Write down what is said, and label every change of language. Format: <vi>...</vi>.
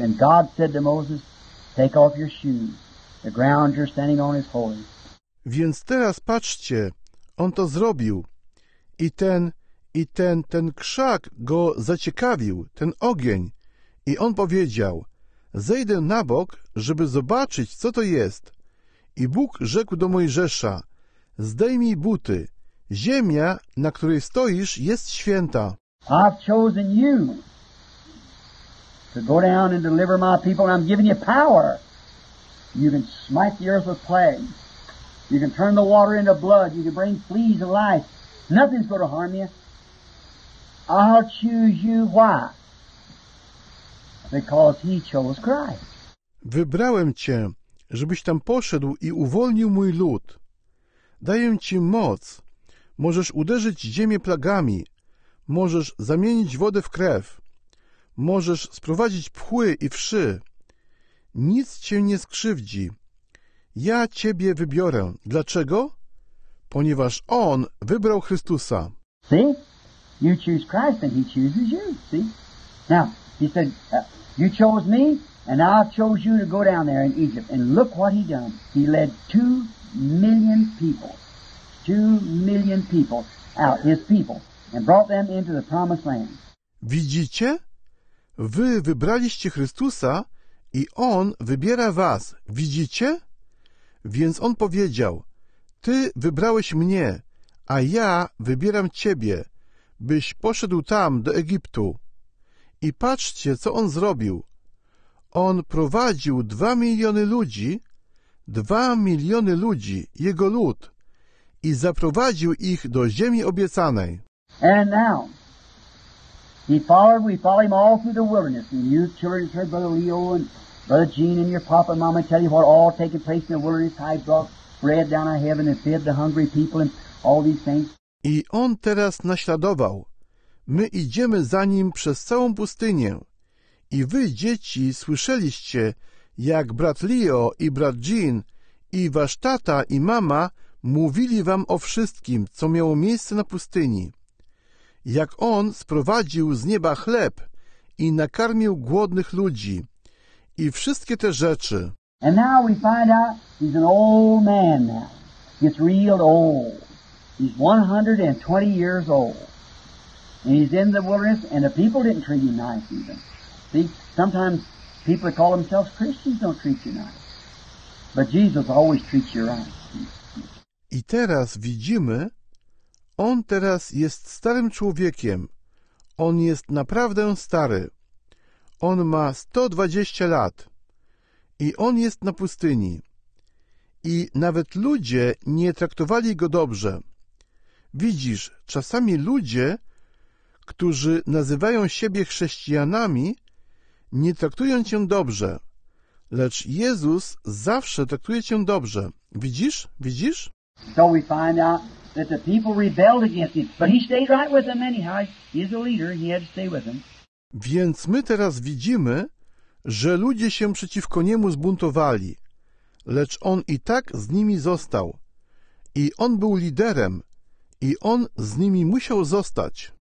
<en>And God said to Moses, take off your shoes. The ground you're standing on is holy.</en> <pl>Więc teraz patrzcie, on to zrobił. I ten krzak go zaciekawił, ten ogień. I on powiedział, zejdę na bok, żeby zobaczyć, co to jest. I Bóg rzekł do Mojżesza, zdejmij buty. Ziemia, na której stoisz, jest święta.</pl> <en>I've chosen you to go down and deliver my people, and I'm giving you power. You can smite the earth with plague. You can turn the water into blood. You can bring fleas to life. Nothing's going to harm you. I'll choose you. Why? Because he chose Christ.</en> <pl>Wybrałem cię, żebyś tam poszedł i uwolnił mój lud. Daję ci moc. Możesz uderzyć ziemię plagami. Możesz zamienić wodę w krew. Możesz sprowadzić pchły i wszy. Nic cię nie skrzywdzi. Ja ciebie wybiorę. Dlaczego? Ponieważ on wybrał Chrystusa.</pl> <en>See? You choose Christ and he chooses you. See? Now, he said, you chose me and I chose you to go down there in Egypt. And look what he done. He led 2 million people. 2 million people out, his people, and brought them into the promised land.</en> <pl>Widzicie? Wy wybraliście Chrystusa i on wybiera was. Widzicie? Więc on powiedział, ty wybrałeś mnie, a ja wybieram ciebie, byś poszedł tam, do Egiptu. I patrzcie, co on zrobił. On prowadził 2 miliony ludzi, 2 miliony ludzi, Jego lud, i zaprowadził ich do ziemi obiecanej.</pl> <en>And now, we follow him all through the wilderness, and you children said, Brother Leo and Brother Gene and your papa and mama tell you what all taking place in the wilderness, I brought bread down out of heaven and fed the hungry people and all these things.</en> <pl>I on teraz naśladował. My idziemy za nim przez całą pustynię. I wy, dzieci, słyszeliście, jak brat Leo i brat Jean i wasz tata i mama mówili wam o wszystkim, co miało miejsce na pustyni. Jak on sprowadził z nieba chleb i nakarmił głodnych ludzi. I wszystkie te rzeczy.</pl> <en>And now we find out he's an old man now. He's real old. He's 120 years old. And he's in the wilderness, and the people didn't treat him nice even. See, sometimes people that call themselves Christians don't treat you nice. But Jesus always treats you right.</en> <pl>I teraz widzimy, on teraz jest starym człowiekiem. On jest naprawdę stary. On ma 120 lat. I on jest na pustyni. I nawet ludzie nie traktowali go dobrze. Widzisz, czasami ludzie, którzy nazywają siebie chrześcijanami, nie traktują cię dobrze, lecz Jezus zawsze traktuje cię dobrze. Widzisz? Widzisz?</pl> <en>So we find out that the people rebelled against him, but he stayed right with them anyhow. He's a leader, he had to stay with them.</en> <pl>Więc my teraz widzimy, że ludzie się przeciwko niemu zbuntowali, lecz on i tak z nimi został. I on był liderem, i on z nimi musiał zostać.</pl>